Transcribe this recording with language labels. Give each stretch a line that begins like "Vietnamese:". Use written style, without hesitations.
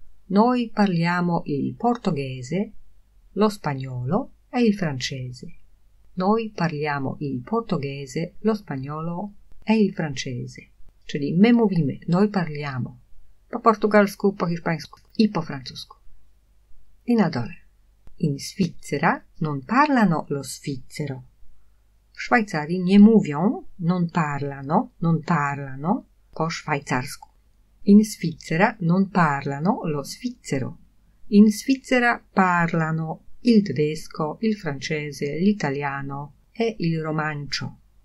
Italian: Noi parliamo il portoghese, lo spagnolo e il francese.
Polish: Czyli my mówimy,
Italian: noi parliamo,
Polish: po portugalsku, po hiszpańsku i po francusku. I na dole.
Italian: In Svizzera non parlano lo svizzero.
Polish: W Szwajcarii nie mówią,
Italian: non parlano
Polish: po szwajcarsku.
Italian: In Svizzera non parlano lo svizzero. In Svizzera parlano il tedesco, il francese, l'italiano e il romancio.